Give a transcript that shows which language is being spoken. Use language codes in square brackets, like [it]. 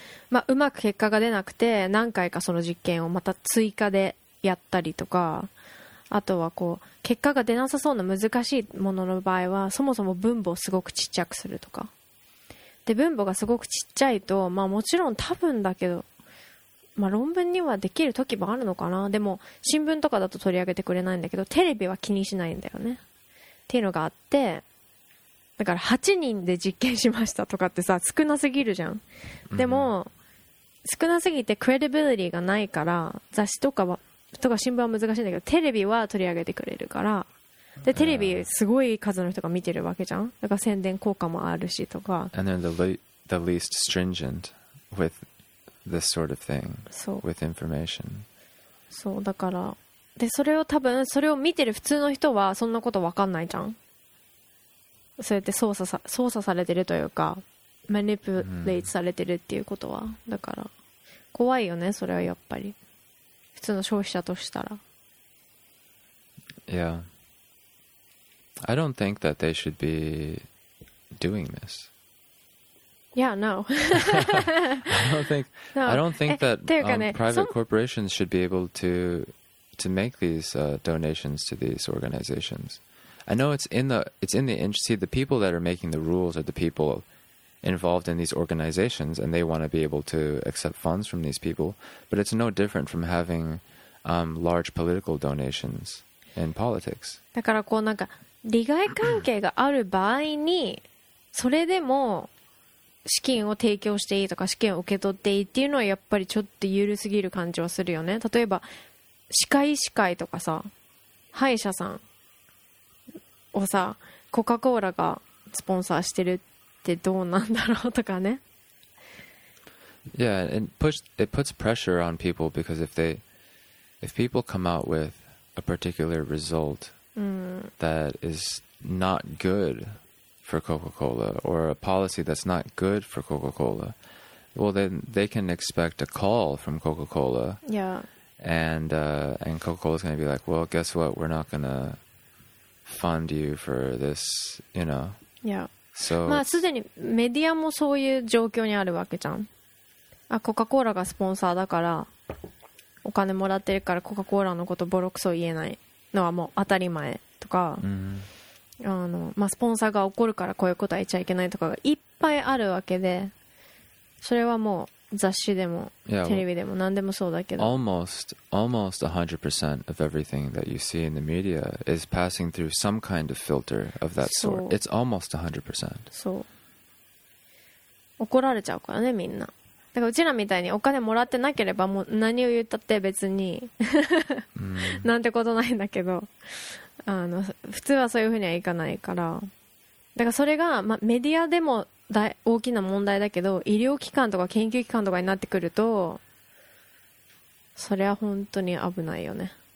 [ja] まあ、うまく結果が出なくて何回かその実験をまた追加でやったりとか、あとはこう結果が出なさそうな難しいものの場合はそもそも分母をすごくちっちゃくするとかで、分母がすごくちっちゃいと、まあ、もちろん多分だけど、まあ、論文にはできる時もあるのかな、でも新聞とかだと取り上げてくれないんだけど、テレビは気にしないんだよねっていうのがあって、だから8人で実験しましたとかってさ、少なすぎるじゃん。でも、うん、少なすぎてクレディビリティがないから、雑誌とかはとか新聞は難しいんだけど、テレビは取り上げてくれるから、でテレビすごい数の人が見てるわけじゃん、だから宣伝効果もあるしとか。 [en] And they're the least stringent with this sort of thing、 [ja] そう [en] with information、 [ja] そうだから、でそれを多分それを見てる普通の人はそんなこと分かんないじゃん、そうやって操作されてるというか、マニプレイトされてるっていうことは、だから怖いよねそれは、やっぱり普通の消費者としたら。 [en] Yeah, I don't think that they should be doing this. Yeah, no. I don't think that private corporations should be able to make these donations to these organizations. I know see, the people that are making the rules are the people involved in these organizations, and they want to be able to accept funds from these people, but it's no different from having large political donations in politics. [ja] だからこうなんか利害関係がある場合にそれでも資金を提供していいとか資金を受け取っていいっていうのはやっぱりちょっと緩すぎる感じはするよね。例えば歯科医師会とかさ、歯医者さんをさ、コカ・コーラがスポンサーしてるってどうなんだろうとかね。 [en] Yeah, it puts pressure on people because if people come out with a particular result that is not good for Coca-Cola or a policy that's not good for Coca-Cola, well then they can expect a call from Coca-Cola. Yeah. And Coca-Cola is going to be like, well, guess what? We're not going to fund you for this, you know. Yeah. So、 [ja] まあ、すでにメディアもそういう状況にあるわけじゃん。あ、コカ・コーラがスポンサーだからお金もらってるからコカ・コーラのことボロクソ言えないのはもう当たり前とか、 mm-hmm. まあ、スポンサーが怒るからこういうことは言っちゃいけないとかがいっぱいあるわけで、それはもう雑誌でもテレビでも何でもそうだけど、 [en] yeah, well, almost 100% of everything that you see in the media is passing through some kind of filter of that sort. It's almost 100%. [ja] そう、怒られちゃうからねみんな。だからうちらみたいにお金もらってなければもう何を言ったって別に なんてことないんだけど、普通はそういうふうにはいかないから、だからそれが、まあ、メディアでも大きな問題だけど、医療機関とか研究機関とかになってくるとそれは本当に危ないよね。